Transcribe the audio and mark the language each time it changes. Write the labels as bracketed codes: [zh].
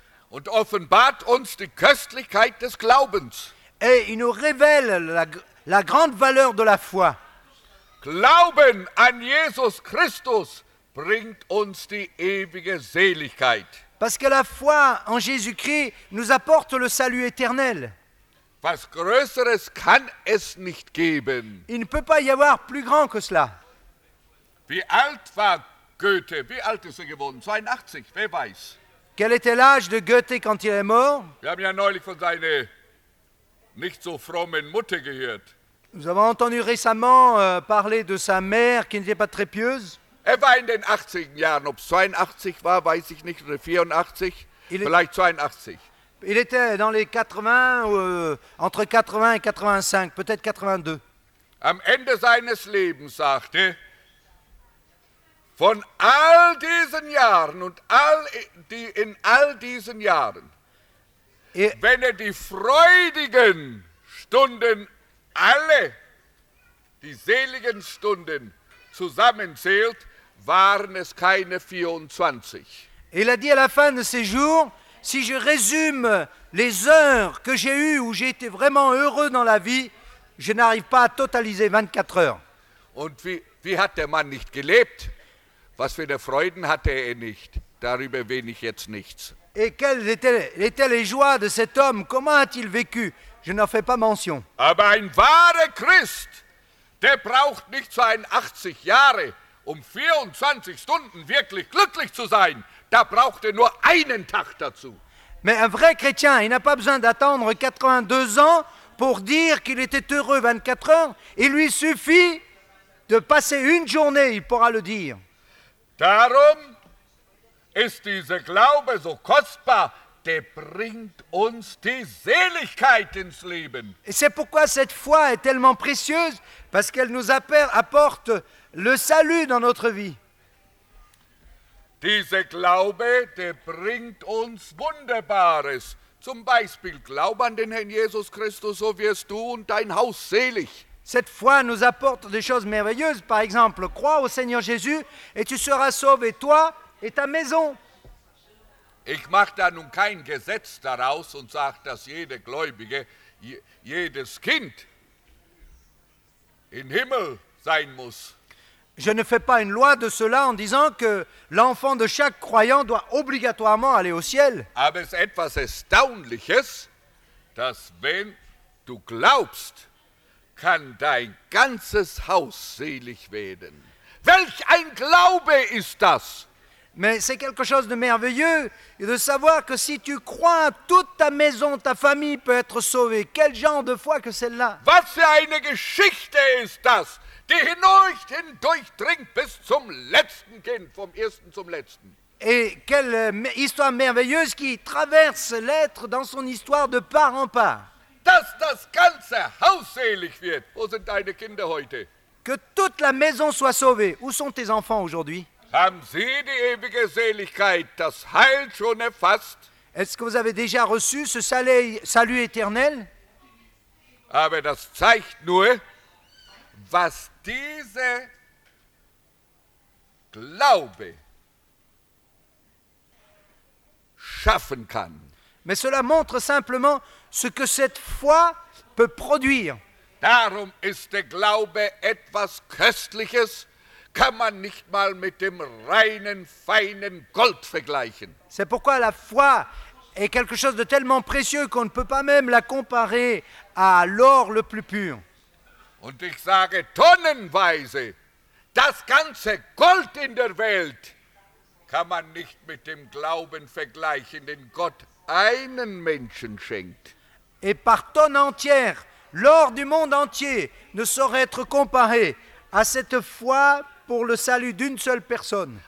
[de] Und offenbart uns die Köstlichkeit des Glaubens. [fr] Et il nous révèle la grande valeur de la foi. [de] Glauben an Jesus Christus bringt uns die ewige Seligkeit. [fr] Parce que la foi en Jésus-Christ nous apporte le salut éternel. [de] Was Größeres kann es nicht geben. [fr] Il ne peut pas y avoir plus grand que cela. [de] Wie alt war Goethe? Wie alt ist geworden? 82, wer weiß. [fr] Quel était l'âge de Goethe quand il est mort? [de] Wir haben ja neulich von seiner nicht so frommen Mutter gehört. [fr] Nous avons entendu récemment parler de sa mère qui n'était pas très pieuse. [de] Er war in den 80er Jahren, ob 82 war, weiß ich nicht, oder 84, vielleicht 82. [fr] Il était dans les 80, entre 80 et 85, peut-être 82. [de] Am Ende seines Lebens sagte, von all diesen Jahren und in all diesen Jahren, wenn die freudigen Stunden alle, die seligen Stunden zusammenzählt, waren es keine 24. [fr] Il a dit à la fin de ses jours, si je résume les heures que j'ai eues où j'ai été vraiment heureux dans la vie, je n'arrive pas à totaliser 24 heures. [de] Und wie hat der Mann nicht gelebt? Was für eine Freuden hatte nicht? Darüber erwähne ich jetzt nichts. [fr] Et quelles étaient les joies de cet homme? Comment a-t-il vécu? Je n'en fais pas mention. [de] Aber ein wahrer Christ, der braucht nicht 82 Jahre, 24 Stunden wirklich glücklich zu sein. Da braucht nur einen Tag dazu. [fr] Mais un vrai chrétien, il n'a pas besoin d'attendre 82 ans pour dire qu'il était heureux 24 heures. Il lui suffit de passer une journée, il pourra le dire. [de] Darum ist dieser Glaube so kostbar, der bringt uns die Seligkeit ins Leben. [fr] Et c'est pourquoi cette foi est tellement précieuse, parce qu'elle nous apporte le salut dans notre vie. [de] Dieser Glaube, der bringt uns Wunderbares. Zum Beispiel, glaub an den Herrn Jesus Christus, so wirst du und dein Haus selig. [fr] Cette foi nous apporte des choses merveilleuses. Par exemple, crois au Seigneur Jésus et tu seras sauvé, toi et ta maison. [de] Ich mache da nun kein Gesetz daraus und sage, dass jeder Gläubige, jedes Kind im Himmel sein muss. [fr] Je ne fais pas une loi de cela en disant que l'enfant de chaque croyant doit obligatoirement aller au ciel. [de] Aber es etwas Erstaunliches, dass wenn du glaubst, kann dein ganzes Haus selig werden. Welch ein Glaube ist das? [fr] Mais c'est quelque chose de merveilleux de savoir que si tu crois, toute ta maison, ta famille peut être sauvée. Quel genre de foi que celle-là? [de] Was für eine Geschichte ist das, die hindurch dringt bis zum letzten Kind, vom ersten zum letzten. [fr] Et quelle histoire merveilleuse qui traverse l'être dans son histoire de part en part. [de] Dass das ganze Haus selig wird. Wo sind deine Kinder heute? [fr] Que toute la maison soit sauvée. Où sont tes enfants aujourd'hui? [de] Haben Sie die ewige Seligkeit, das Heil schon erfasst? [fr] Est-ce que vous avez déjà reçu ce salut éternel? [de] Aber das zeigt nur, was diese Glaube schaffen kann. [fr] Mais cela montre simplement ce que cette foi peut produire. [de] Darum ist der Glaube etwas Köstliches, kann man nicht mal mit dem reinen, feinen Gold vergleichen. [fr] C'est pourquoi la foi est quelque chose de tellement précieux qu'on ne peut pas même la comparer à l'or le plus pur. [de] Und ich sage tonnenweise, das ganze Gold in der Welt kann man nicht mit dem Glauben vergleichen, den Gott einen Menschen schenkt. [fr] Et par tonne entière, l'or du monde entier ne saurait être comparé à cette foi pour le salut d'une seule personne.